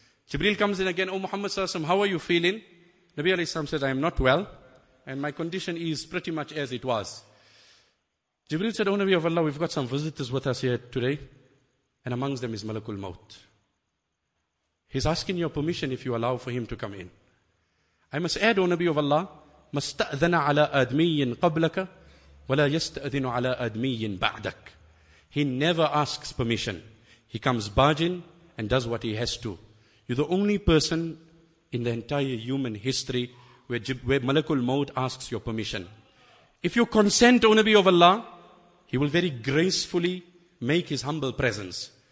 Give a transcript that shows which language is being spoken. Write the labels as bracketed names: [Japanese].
[English] Jibreel comes in again, O Muhammad sallallahu alayhi wa sallam, how are you feeling? Nabi alayhi salam said, I am not well, and my condition is pretty much as it was. Jibreel said, O Nabi of Allah, we've got some visitors with us here today, and amongst them is Malakul Maut. He's asking your permission if you allow for him to come in. I must add, O Nabi of Allah, [Arabic] مَسْتَأْذَنَ عَلَىٰ أَدْمِيٍ قَبْلَكَ وَلَا يَسْتَأْذِنُ عَلَىٰ أَدْمِيٍ بَعْدَكَ. [English] He never asks permission. He comes barging and does what he has to. You're the only person in the entire human history where Malakul Maut asks your permission. If you consent, O Nabi of Allah, he will very gracefully make his humble presence.